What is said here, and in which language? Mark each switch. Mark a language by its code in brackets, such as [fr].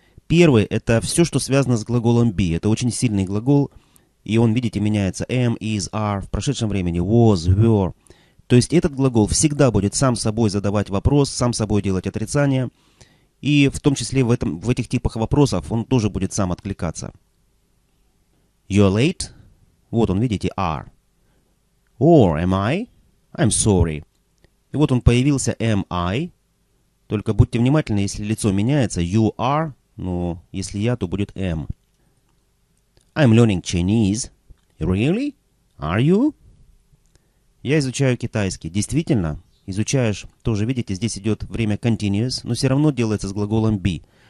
[ru] Первый – это все, что связано с глаголом be. Это очень сильный глагол, и он, видите, меняется am, is, are, в прошедшем времени was, were. То есть этот глагол всегда будет сам собой задавать вопрос, сам собой делать отрицание, и в том числе в этих типах вопросов он тоже будет сам откликаться. [en] You're late? [ru] Вот он, видите, are. [en] Or am I? I'm sorry. [ru] И вот он появился, [en] am I. [ru] Только будьте внимательны, если лицо меняется, [en] you are, [ru] ну, если я, то будет am. [en] I'm learning Chinese. Really? Are you? [ru] Я изучаю китайский. Действительно? Изучаешь? Тоже, видите, здесь идет время continuous, но все равно делается с глаголом be.